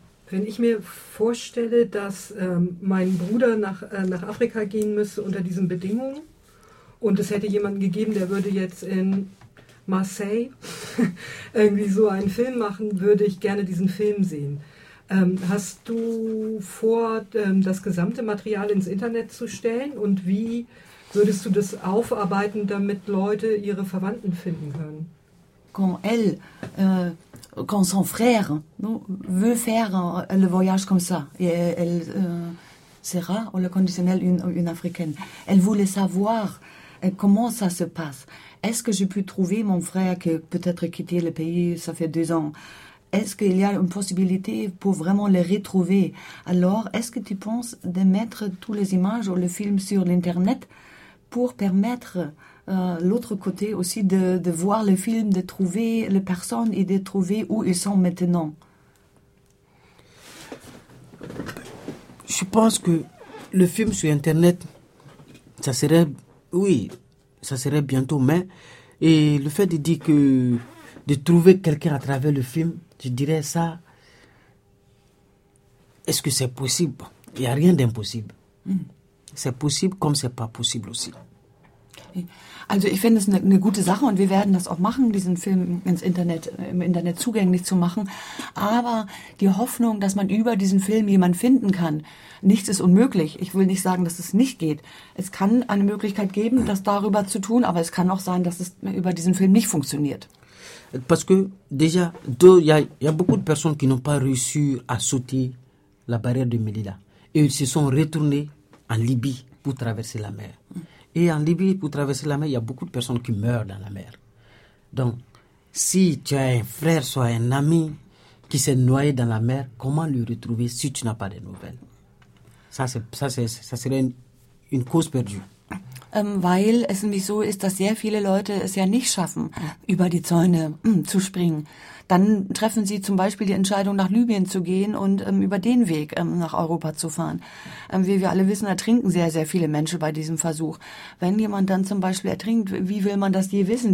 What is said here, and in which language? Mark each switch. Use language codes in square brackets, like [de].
[de] Wenn ich mir vorstelle, dass mein Bruder nach Afrika gehen müsste unter diesen Bedingungen und es hätte jemanden gegeben, der würde jetzt in Marseille irgendwie so einen Film machen, würde ich gerne diesen Film sehen. Hast du vor, das gesamte Material ins Internet zu stellen und wie würdest du das aufarbeiten, damit Leute ihre Verwandten finden können? [fr] Quand son frère veut faire le voyage comme ça, et elle sera au le conditionnel une africaine. Elle voulait savoir comment ça se passe. Est-ce que j'ai pu trouver mon frère qui peut-être quitté le pays, ça fait 2 ans. est-ce qu'il y a une possibilité pour vraiment les retrouver? Alors, est-ce que tu penses de mettre toutes les images ou le film sur l'Internet pour permettre l'autre côté aussi de voir le film, de trouver les personnes et de trouver où ils sont maintenant? Je pense que le film sur Internet, ça serait, oui, ça serait bientôt, mais et le fait de dire que de trouver quelqu'un à travers le film, je dirais ça, est-ce que c'est possible? Il n'y a rien d'impossible. C'est possible comme ce n'est pas possible aussi. [de] Also ich finde es eine gute Sache und wir werden das auch machen, diesen Film ins Internet, im Internet zugänglich zu machen. Aber die Hoffnung, dass man über diesen Film jemanden finden kann, nichts ist unmöglich. Ich will nicht sagen, dass es nicht geht. Es kann eine Möglichkeit geben, das darüber zu tun, aber es kann auch sein, dass es über diesen Film nicht funktioniert. [fr] Parce que déjà, il y a beaucoup de personnes qui n'ont pas réussi à sauter la barrière de Melilla et ils se sont retournés en Libye pour traverser la mer. Et en Libye, pour traverser la mer, il y a beaucoup de personnes qui meurent dans la mer. Donc, si tu as un frère, soit un ami qui s'est noyé dans la mer, comment le retrouver si tu n'as pas de nouvelles? Ça serait une cause perdue. [de] Weil es nämlich so ist, dass sehr viele Leute es ja nicht schaffen, über die Zäune zu springen. Dann treffen sie zum Beispiel die Entscheidung, nach Libyen zu gehen und über den Weg nach Europa zu fahren. Wie wir alle wissen, ertrinken sehr, sehr viele Menschen bei diesem Versuch. Wenn jemand dann zum Beispiel ertrinkt, wie will man das je wissen?